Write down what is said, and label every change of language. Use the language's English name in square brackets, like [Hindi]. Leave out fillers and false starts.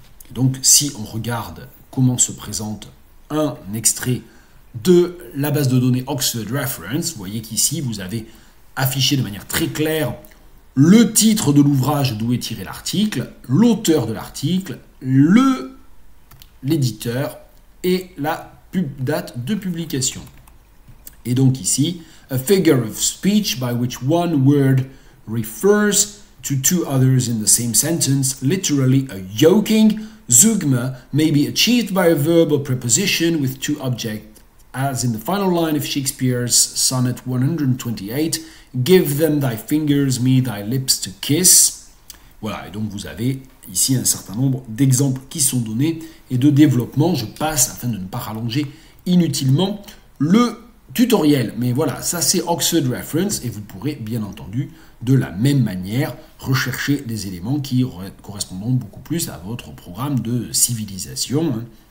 [French] Et donc, si on regarde comment se présente un extrait de la base de données Oxford Reference, vous voyez qu'ici, vous avez affiché de manière très claire le titre de l'ouvrage d'où est tiré l'article, l'auteur de l'article, l'éditeur et la date de publication. Et donc ici, [English] « A figure of speech by which one word refers to two others in the same sentence, literally a yoking, zeugma may be achieved by a verb or preposition with two objects, as in the final line of Shakespeare's sonnet 128, give them thy fingers, me thy lips to kiss. [French] Voilà, et donc vous avez ici un certain nombre d'exemples qui sont donnés et de développement. Je passe afin de ne pas rallonger inutilement le tutoriel. Mais voilà, ça c'est Oxford Reference et vous pourrez bien entendu de la même manière rechercher des éléments qui correspondront beaucoup plus à votre programme de civilisation.